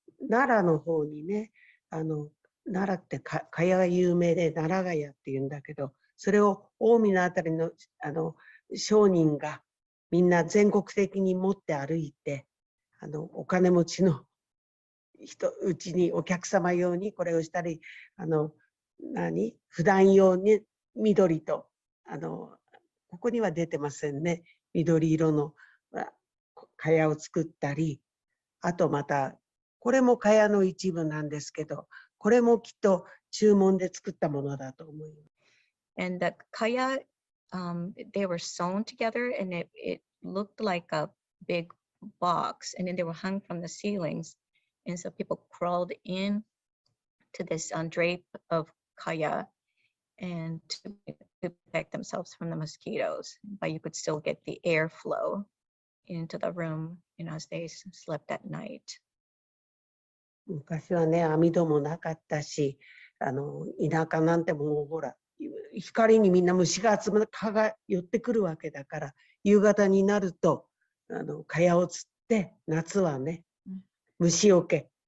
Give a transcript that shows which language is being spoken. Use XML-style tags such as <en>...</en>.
<ja>奈良の方にね、あの奈良って蚊帳が有名で奈良蚊帳っていうんだけど、それを近江のあたり あの商人がみんな全国的に持って歩いて、あのお金持ちの人うちにお客様用にこれをしたり、あの何普段用に緑と、あの、ここには出てませんね。緑色の蚊帳を作ったり、あとまた、これも蚊帳の一部なんですけど、これもきっと注文で作ったものだと思います。</ja> <en>And the 蚊帳, they were sewn together and it looked like a big box and then they were hung from the ceilings and so people crawled in to this drape of kaya and to protect themselves from the mosquitoes, but you could still get the airflow into the room, you know, as they slept at night.</en> <ja>昔はね、網戸もなかったし、あの、田舎なんてもうほら、光にみんな虫が集まる、蚊が寄ってくるわけだから、夕方になると、あの、蚊帳を釣って、夏はね、虫よけ。</ja>